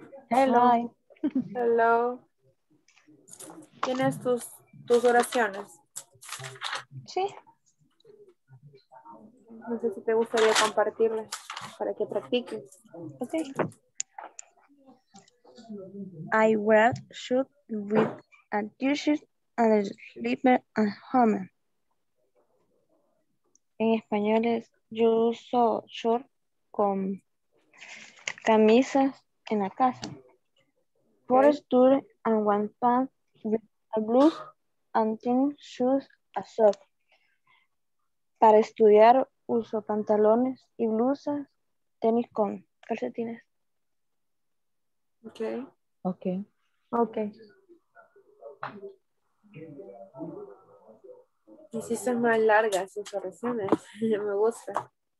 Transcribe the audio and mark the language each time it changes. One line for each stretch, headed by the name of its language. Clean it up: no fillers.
English: Hello. Hi. Hello.
Spanish: ¿Tienes tus oraciones? Sí. no sé si te gustaría compartirla para que practiques.
English: Okay. I wear shoes with a t-shirt and a slipper at home.
Spanish: En español es, yo uso short con camisas en la casa.
English: Four shoes and one pant with a blouse and tennis shoes a sock.
Spanish: Para estudiar uso pantalones y blusas, tenis con calcetines.
English: Okay.
Spanish: Y si son más largas sus oraciones, me gusta.